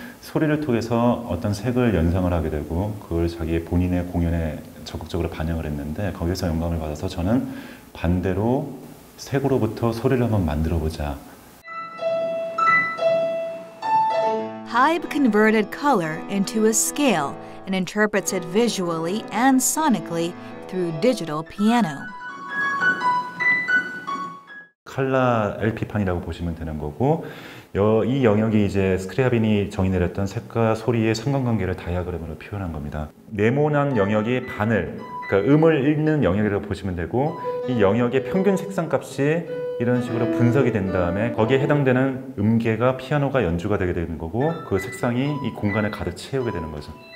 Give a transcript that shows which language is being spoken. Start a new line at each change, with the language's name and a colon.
Korean: 소리를 통해서 어떤 색을 연상을 하게 되고 그걸 자기의 본인의 공연에 적극적으로 반영을 했는데 거기서 영감을 받아서 저는 반대로 색으로부터 소리를 한번 만들어보자.
English: HYBE converted color into a scale and interprets it visually and sonically through digital piano.
Korean: 칼라 LP판이라고 보시면 되는 거고 이 영역이 이제 스크리아빈이 정의 내렸던 색과 소리의 상관관계를 다이아그램으로 표현한 겁니다. 네모난 영역이 바늘, 그러니까 음을 읽는 영역이라고 보시면 되고 이 영역의 평균 색상값이 이런 식으로 분석이 된 다음에 거기에 해당되는 음계가 피아노가 연주가 되게 되는 거고 그 색상이 이 공간을 가득 채우게 되는 거죠.